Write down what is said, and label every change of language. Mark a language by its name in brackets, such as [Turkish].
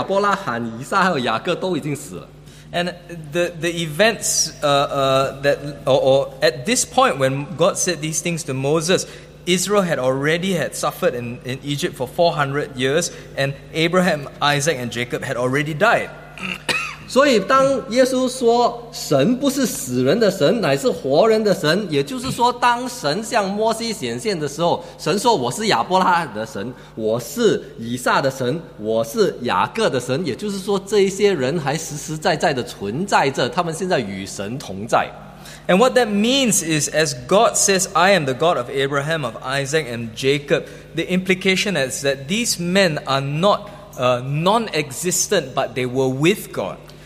[Chinese] 因为那个时候是以色列已经在这个埃及400年受苦了之后，而且摩西80岁的时候，这个已经超过了500、600年，也这里所讲的这个亚伯拉罕、以撒还有雅各都已经死了。 [English] And the events at this point when God said these things to Moses, Israel had already had suffered in Egypt for 400 years, and Abraham, Isaac, and Jacob had already died. [Chinese] 所以当耶稣说神不是死人的神，乃是活人的神，也就是说，当神向摩西显现的时候，神说我是亚伯拉罕的神，我是以撒的神，我是雅各的神，也就是说，这些人还实实在在的存在着，他们现在与神同在。 [English] And what that means is, as God says, I am the God of Abraham, of Isaac, and Jacob, the implication is that these men are not non-existent, but they were with God.